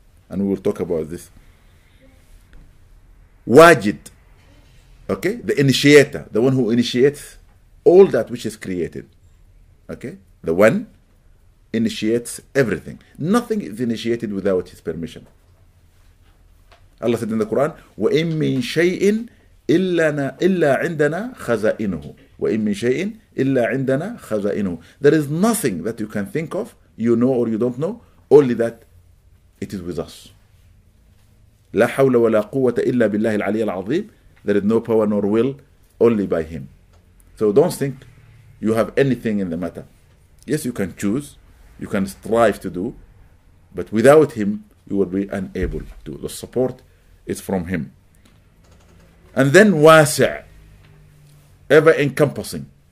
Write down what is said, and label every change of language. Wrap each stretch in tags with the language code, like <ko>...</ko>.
<en>And we will talk about this. Wajid, okay? The initiator, the one who initiates all that which is created. Okay? The one initiates everything. Nothing is initiated without his permission. Allah said in the Quran,</en> <ar>وَإِن مِّن شَيْءٍ إِلَّا عِنْدَنَا خَزَائِنُهُ وَإِن مِّن شَيْءٍ إِلَّا عِنْدَنَا خَزَائِنُهُ.</ar> <en>There is nothing that you can think of, you know or you don't know, only that it is with us.</en> <ar>لا حول ولا قوة إلا بالله العلي العظيم.</ar> <en>There is no power nor will only by him. So don't think you have anything in the matter. Yes, you can choose, you can strive to do, but without him, you will be unable to. The support is from him. And then wasi', ever-encompassing.</en>